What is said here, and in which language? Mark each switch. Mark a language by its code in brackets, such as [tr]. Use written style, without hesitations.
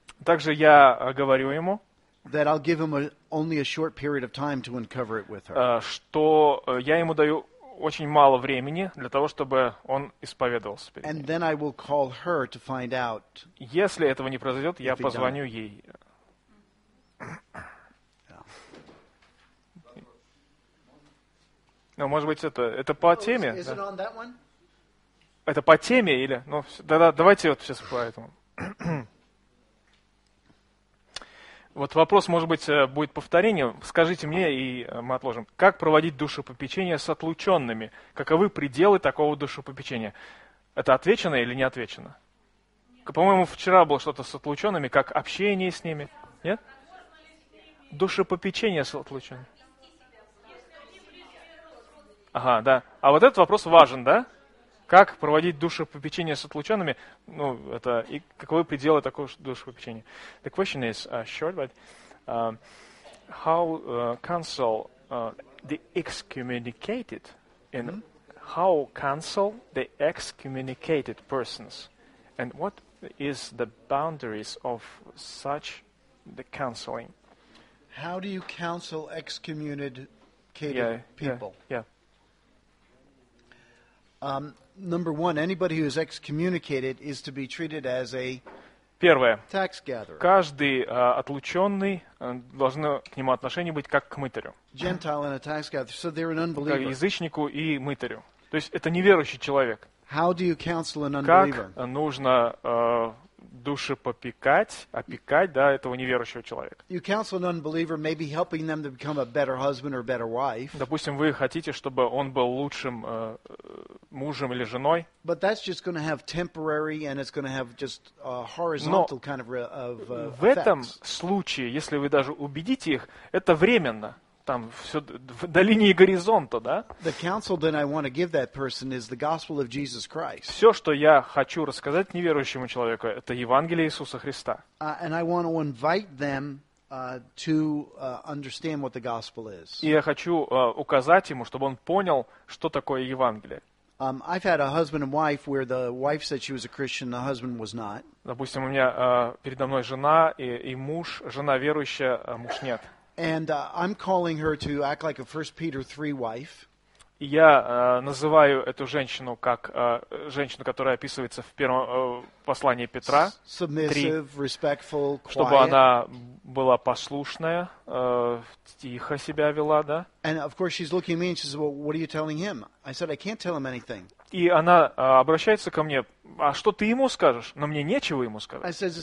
[ru] Также я говорю ему, что я ему даю очень мало времени для того, чтобы он исповедовался перед ней. [en] And then I will call her to find out. [ru] Если этого не произойдет, я позвоню ей. Ну, может быть, это по теме? [en] Is it on that one? [ru] Это по теме или? Ну, да, давайте вот сейчас по этому. Вот вопрос, может быть, будет повторением. Скажите мне, и мы отложим. Как проводить душепопечение с отлученными? Каковы пределы такого душепопечения? Это отвечено или не отвечено? Нет. По-моему, вчера было что-то с отлученными, как общение с ними. Нет? Душепопечение с отлученными. Ага, да. А вот этот вопрос важен, да? Как проводить душепопечение с отлученными? Ну, это и каковы пределы такого душепопечения? [en] The question is short, but how counsel the excommunicated and how counsel the excommunicated persons and what is the boundaries of such the counseling? How do you counsel excommunicated people? Number one, anybody who is excommunicated is to be treated as a [ru] первое, [en] tax gatherer. [ru] Каждый отлученный должно к нему отношение быть как к мытарю. [en] Gentile and a tax gatherer, so they're an unbeliever. [ru] Как язычнику и мытарю. То есть это неверующий человек. [en] How do you counsel an unbeliever? [ru] Как нужно душепопекать, опекать, да, этого неверующего человека. Допустим, вы хотите, чтобы он был лучшим мужем или женой. [en] But that's just going to have temporary and it's going to have just a horizontal kind of [ru] В этом случае, если вы даже убедите их, это временно. Там все до линии горизонта, да? [en] The counsel that I want to give that person is the gospel of Jesus Christ. [ru] Все, что я хочу рассказать неверующему человеку, это Евангелие Иисуса Христа. [en] And I want to invite them to understand what the gospel is. [ru] И я хочу указать ему, чтобы он понял, что такое Евангелие. [en] I've had a husband and wife where the wife said she was a Christian, the husband was not. [ru] Допустим, у меня передо мной жена и муж, жена верующая, муж нет. [en] And I'm calling her to act like a 1 Peter 3 wife. [ru] Я называю эту женщину как женщину, которая описывается в первом послании Петра. [en] Submissive, respectful, quiet. [ru] Чтобы она была послушная, тихо себя вела, да? [en] And of course she's looking at me and she says, "Well, what are you telling him?" I said, "I can't tell him anything." [ru] И она обращается ко мне: а что ты ему скажешь? Но мне нечего ему сказать.